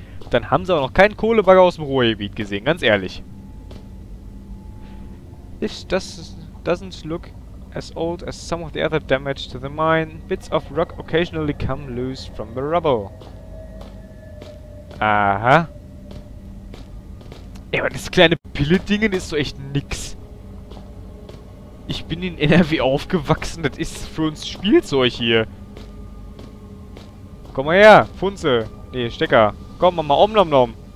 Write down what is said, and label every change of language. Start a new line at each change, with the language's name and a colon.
German: Dann haben sie auch noch keinen Kohlebagger aus dem Ruhrgebiet gesehen, ganz ehrlich.
English: This doesn't look as old as some of the other damage to the mine. Bits of rock occasionally come loose from the rubble. Aha.
German: Ey, aber das kleine Pille-Dingen ist so echt nix. Ich bin in NRW aufgewachsen, das ist für uns Spielzeug hier. Komm mal her, Funze. Nee, Stecker. Komm, mach mal Omnomnom.